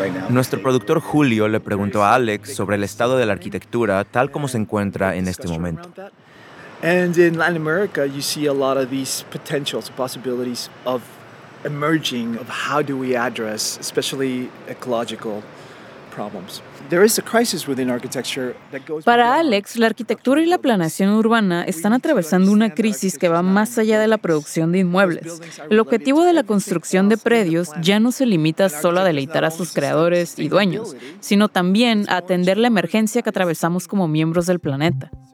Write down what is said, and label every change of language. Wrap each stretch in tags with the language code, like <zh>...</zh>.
<es>Nuestro productor Julio le preguntó a Alex sobre el estado de la arquitectura tal como se encuentra en este momento.</es> <en>And in Latin America, you see a lot of these potentials, possibilities of emerging of how do we address, especially ecological problems. There is a crisis within architecture that goes.</en> <es>Para Alex, la arquitectura y la planeación urbana están atravesando una crisis que va más allá de la producción de inmuebles. El objetivo de la construcción de predios ya no se limita solo a deleitar a sus creadores y dueños, sino también a atender la emergencia que atravesamos como miembros del planeta.</es>